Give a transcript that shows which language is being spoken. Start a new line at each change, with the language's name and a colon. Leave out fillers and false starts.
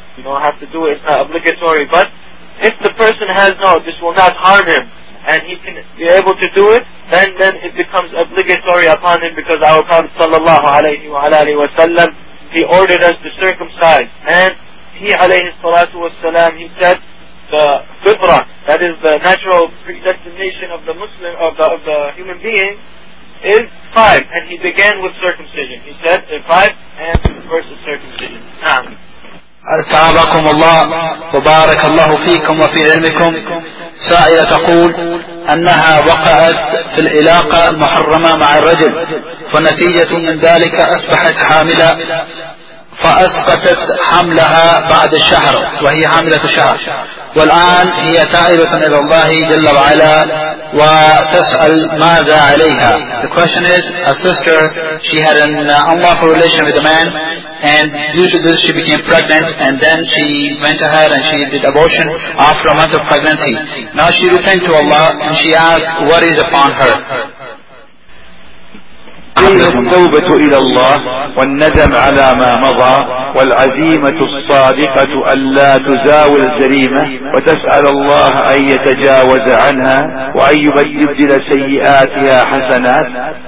English: You don't have to do it, it's not obligatory. But if the person has no, this will not harm him, and he can be able to do it, then it becomes obligatory upon him, because our Prophet sallallahu alayhi wa alayhi wa sallam, he ordered us to circumcise. And he alayhi salatu wa sallam, he said the fitra, that is the natural predestination of the Muslim, of the human being, is five. And he began with circumcision. He said in five and versus circumcision.
Arabic: أتابكم الله وبارك الله فيكم وفي علمكم. سائلة تقول أنها وقعت في العلاقة المحرمة مع الرجل, فنتيجة من ذلك أصبحت حاملة فأسقطت حملها بعد الشهر وهي حاملة شهر, والآن هي تائبة إلى الله جل وعلا وتسأل ماذا عليها.
English: The question is, a sister, she had an unlawful relation with a man, and due to this she became pregnant, and then she went ahead and she did abortion after a month of pregnancy. Now she returned to Allah and she asked, what is upon her?
Arabic: فيه التوبة إلى الله والندم على ما مضى والعزيمة الصادقة ألا تزاول الجريمة, وتسأل الله أن يتجاوز عنها وأن يبدل سيئاتها حسنات.